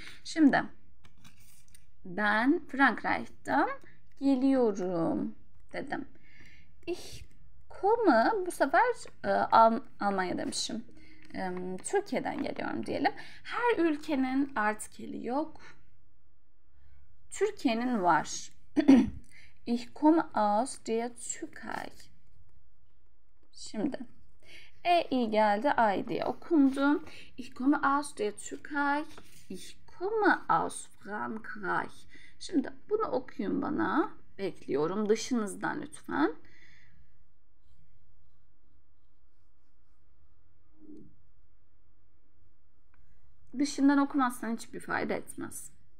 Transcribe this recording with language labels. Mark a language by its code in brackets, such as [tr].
[tr] Şimdi ben Frankreich'ten geliyorum dedim. [de] Ich komme, [tr] bu sefer Almanya demişim. Türkiye'den geliyorum diyelim. Her ülkenin artikeli yok. Türkiye'nin var. [de] Ich komme aus der Türkei. [tr] Şimdi. E iyi geldi, ay diye okundum. [de] Ich komme aus der Türkei. Ich komme aus Frankreich. [tr] Şimdi bunu okuyun bana. Bekliyorum dışınızdan lütfen. Dışından okumazsan hiçbir fayda etmez.